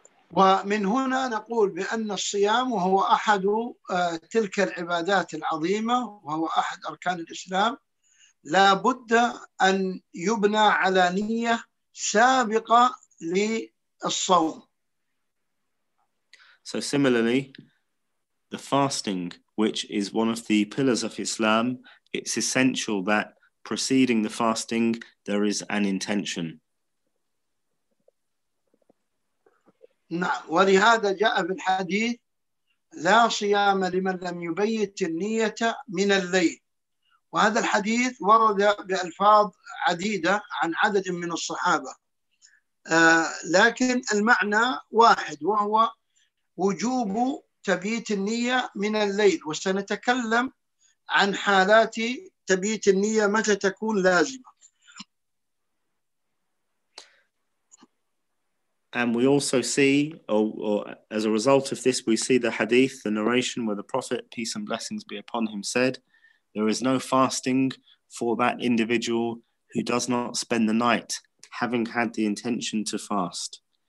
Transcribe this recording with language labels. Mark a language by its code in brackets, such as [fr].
[ar] ومن هنا نقول بأن الصيام هو أحد تلك العبادات العظيمة وهو أحد أركان الإسلام، لا بد أن يبنى على نية سابقة للصوم. [en] So similarly, the fasting, which is one of the pillars of Islam, it's essential that preceding the fasting there is an intention. [ar] نعم، ولهذا جاء في الحديث لا صيام لمن لم يبيت النية من الليل، وهذا الحديث ورد بألفاظ عديدة عن عدد من الصحابة، لكن المعنى واحد وهو وجوب تبييت النية من الليل، وسنتكلم عن حالات تبييت النية متى تكون لازمة. [en] And we also see, or as a result of this, we see the hadith, the narration where the Prophet, peace and blessings be upon him, said, there is no fasting for that individual who does not spend the night having had the intention to fast.